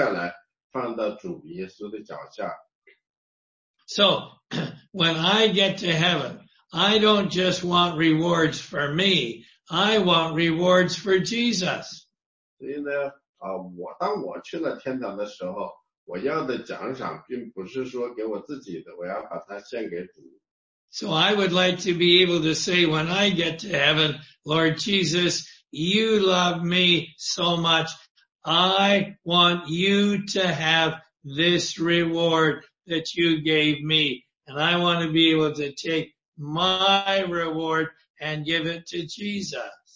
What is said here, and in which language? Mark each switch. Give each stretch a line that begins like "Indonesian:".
Chinese: 另外一件，我们可以为这个，我们这个冠冕有什么用呢？我们可以把它摘下来，放到主耶稣的脚下。
English: So, when I get to heaven, I don't just want rewards for me, I want rewards for Jesus.
Chinese: 所以呢，当我去了天堂的时候，我要的奖赏并不是说给我自己的，我要把它献给主。
English: So I would like to be able to say when I get to heaven, Lord Jesus, you love me so much, I want you to have this reward that you gave me, and I want to be able to take my reward and give it to Jesus.